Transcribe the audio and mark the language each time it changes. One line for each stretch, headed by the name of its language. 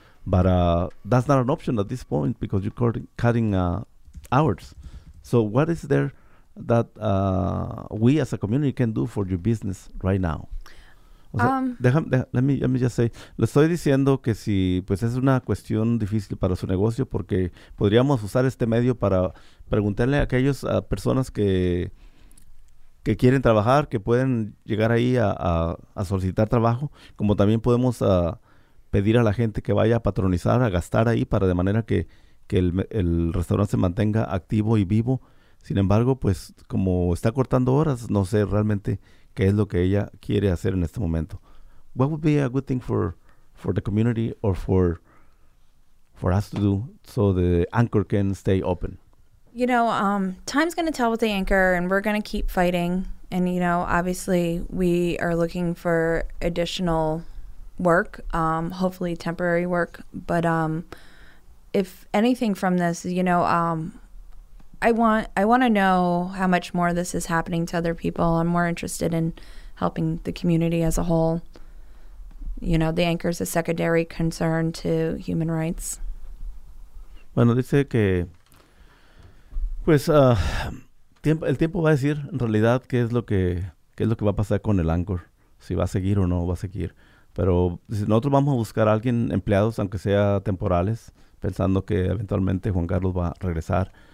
English: But that's not an option at this point because you're cutting hours. So what is there that we as a community can do for your business right now?
Spanish: O sea,
English: let me just say,
Spanish: le estoy diciendo que si pues es una cuestión difícil para su negocio, porque podríamos usar este medio para preguntarle a aquellas personas que quieren trabajar, que pueden llegar ahí a solicitar trabajo, como también podemos pedir a la gente que vaya a patronizar, a gastar ahí, para de manera que el restaurante se mantenga activo y vivo. Sin embargo, pues como está cortando horas, no sé realmente qué es lo que ella quiere hacer en este momento.
English: What would be a good thing for the community or for us to do so the anchor can stay open? You know, time's going to tell with the anchor, and we're going to keep fighting. And, you know, obviously we are looking for additional work, hopefully temporary work. But if anything from this, you know, I want to know how much more this is happening to other people. I'm more interested in helping the community as a whole. You know, the anchor's a secondary concern to human rights.
Spanish: Bueno, dice que pues el tiempo va a decir en realidad qué es lo que va a pasar con el anchor, si va a seguir o no va a seguir. Pero dice, nosotros vamos a buscar a alguien, empleados, aunque sea temporales, pensando que eventualmente Juan Carlos va a regresar.